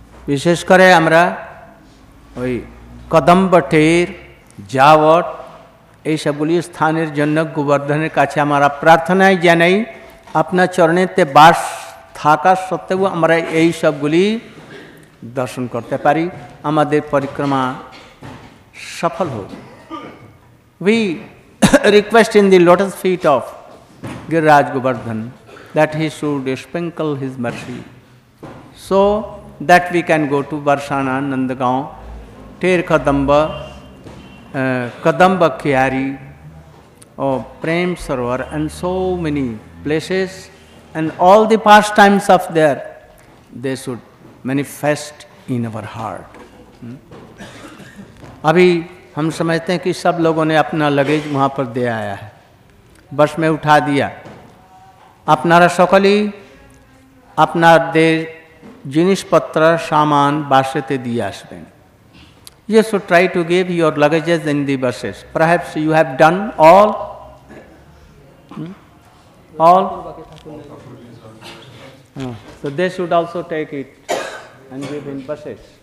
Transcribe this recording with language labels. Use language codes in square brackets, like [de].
[bn] বিশেষ করে আমরা ওই কদম্বটের যাবট এইসবগুলি স্থানের জন্য গোবর্ধনের কাছে আমরা প্রার্থনায় জানাই আপনার চরণেতে বাস থাকা সত্ত্বেও আমরা এই সবগুলি দর্শন করতে পারি, আমাদের পরিক্রমা সফল হোক। [en] We request in the lotus feet of Giriraj Govardhan that he should sprinkle his mercy so that we can go to Barsana, Nandgaon, Ter Kadamba, Kadamba Kiyari, or Prem Sarovar, and so many places, and all the pastimes of there, they should manifest in our heart. [hi] Abhi हम समझते हैं कि सब लोगों ने अपना luggage वहाँ पर दे आया है, बस में उठा दिया, अपना रसोकली [bn] আপনাদের জিনিসপত্র সামান বাসেতে দিয়ে আসবেন. [en] Yes ও try to give your luggages in the buses. Perhaps you have done all all so they should also take it and give in buses.